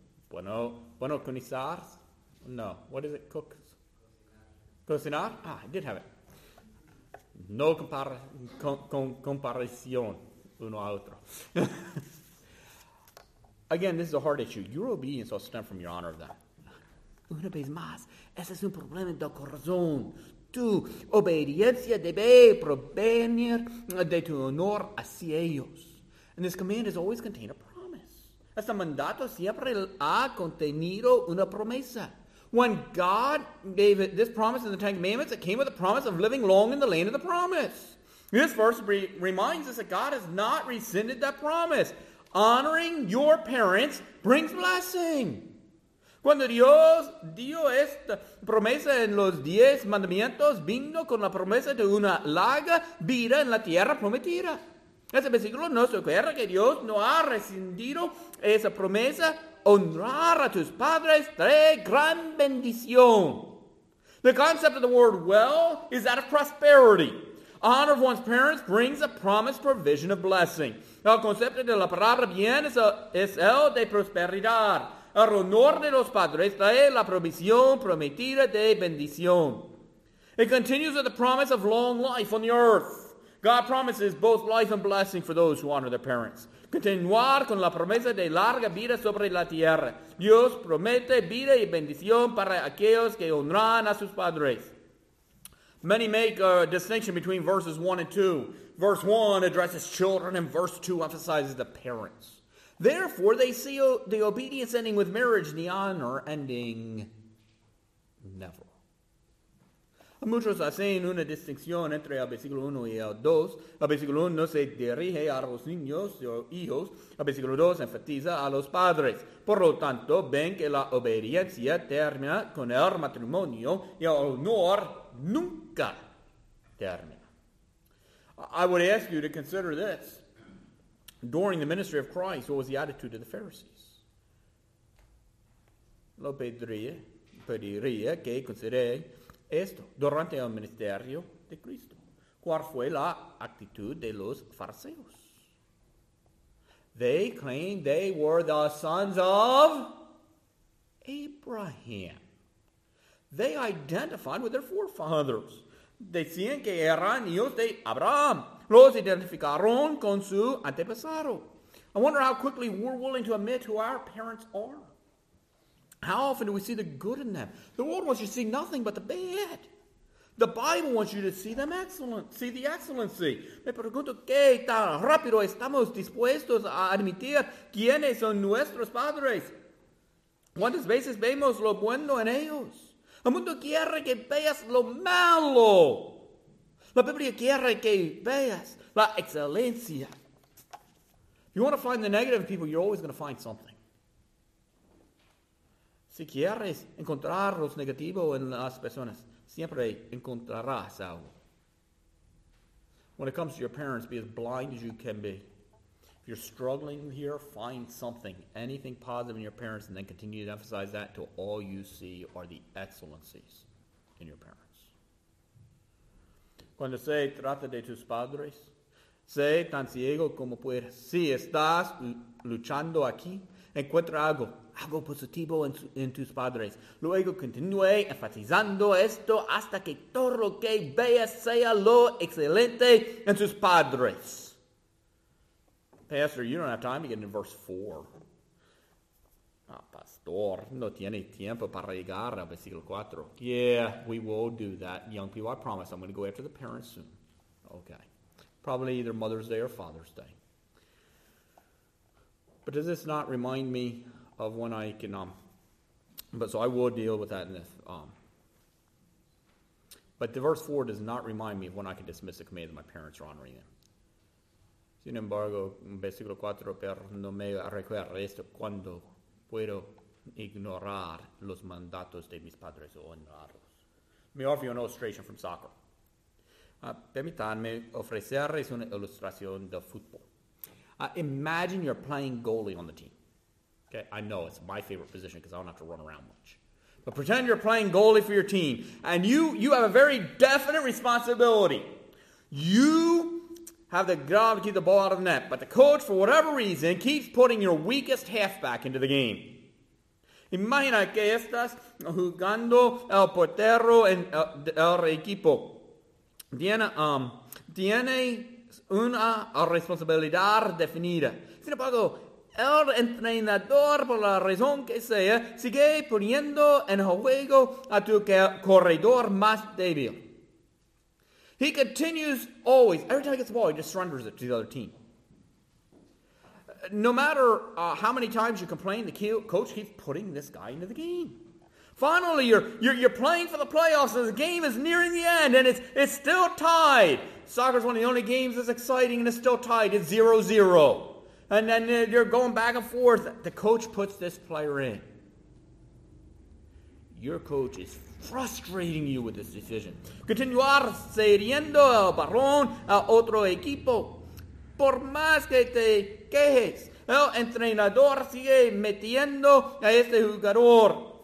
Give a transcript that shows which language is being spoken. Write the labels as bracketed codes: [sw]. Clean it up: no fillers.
[es] Bueno, cocinar? [en] No. What is it? Cook? Cocinar? Ah, I did have it. [es] No comparación uno a otro. [en] Again, this is a hard issue. Your obedience will stem from your honor of them. [es] Una vez más, ese es un problema del corazón. Tu obediencia debe provenir de tu honor hacia ellos. [en] And this command has always contained a promise. [es] Este mandato siempre ha contenido una promesa. [en] When God gave it, this promise in the Ten Commandments, it came with a promise of living long in the land of the promise. This verse reminds us that God has not rescinded that promise. Honoring your parents brings blessing. [es] Cuando Dios dio esta promesa en los 10 mandamientos, vino con la promesa de una larga vida en la tierra prometida. Ese versículo nos recuerda que Dios no ha rescindido esa promesa. Honrar a tus padres trae gran bendición. [en] The concept of the word well is that of prosperity. Honor of one's parents brings a promised provision of blessing. [es] El concepto de la palabra bien es el de prosperidad. El honor de los padres trae la provisión prometida de bendición. [en] It continues with the promise of long life on the earth. God promises both life and blessing for those who honor their parents. [es] Continuar con la promesa de larga vida sobre la tierra. Dios promete vida y bendición para aquellos que honran a sus padres. [en] Many make a distinction between verses 1 and 2. Verse 1 addresses children and verse 2 emphasizes the parents. Therefore, they see the obedience ending with marriage and the honor ending never. [es] Muchos hacen una distinción entre el versículo 1 y el 2. El versículo 1 se dirige a los niños o hijos. El versículo 2 enfatiza a los padres. Por lo tanto, ven que la obediencia termina con el matrimonio y el honor nunca termina. [en] I would ask you to consider this. During the ministry of Christ, what was the attitude of the Pharisees? [es] Lo pediría que considere esto. Durante el ministerio de Cristo, ¿cuál fue la actitud de los fariseos? [en] They claimed they were the sons of Abraham. They identified with their forefathers. [es] Decían que eran hijos de Abraham. Los identificaron con su antepasado. [en] I wonder how quickly we're willing to admit who our parents are. How often do we see the good in them? The world wants you to see nothing but the bad. The Bible wants you to see them excellent. See the excellency. [es] Me pregunto qué tan rápido estamos dispuestos a admitir quiénes son nuestros padres. ¿Cuántas veces vemos lo bueno en ellos? El mundo quiere que veas lo malo. La Biblia quiere que veas la excelencia. [en] If you want to find the negative in people, you're always going to find something. [es] Si quieres encontrar los negativos en las personas, siempre encontrarás algo. [en] When it comes to your parents, be as blind as you can be. If you're struggling here, find something, anything positive in your parents, and then continue to emphasize that until all you see are the excellencies in your parents. [es] Cuando se trata de tus padres, sé tan ciego como puedes. Si estás luchando aquí, encuentra algo positivo en tus padres. Luego continúe enfatizando esto hasta que todo lo que veas sea lo excelente en tus padres. [en] Pastor, you don't have time to get into verse 4. [es] Ah, pastor, no tiene tiempo para llegar al versículo 4. [en] Yeah, we will do that. Young people, I promise I'm going to go after the parents soon. Okay. Probably either Mother's Day or Father's Day. But does this not remind me of when I can, so I will deal with that in this. But the verse 4 does not remind me of when I can dismiss the command that my parents are honoring them. [es] Sin embargo, en versículo 4, pero no me recuerda esto cuando puedo ignorar los mandatos de mis padres o honrarlos. [en] Me offer you an illustration from soccer. [es] Permítanme ofrecerles una ilustración del fútbol. [en] Imagine you're playing goalie on the team. Okay, I know it's my favorite position because I don't have to run around much. But pretend you're playing goalie for your team and you have a very definite responsibility. You have the gravity to the ball out of the net, but the coach, for whatever reason, keeps putting your weakest halfback into the game. [es] Imagina que estás jugando el portero en el equipo. Tienes una responsabilidad definida. Sin embargo, el entrenador, por la razón que sea, sigue poniendo en juego a tu corredor más débil. [en] He continues always, every time he gets the ball, he just surrenders it to the other team. No matter how many times you complain, the coach keeps putting this guy into the game. Finally, you're playing for the playoffs, and the game is nearing the end, and it's still tied. Soccer's one of the only games that's exciting, and it's still tied. It's 0-0. And then you're going back and forth. The coach puts this player in. Your coach is frustrating you with this decision. [es] Continuar cediendo el balón a otro equipo. Por más que te quejes, el entrenador sigue metiendo a este jugador.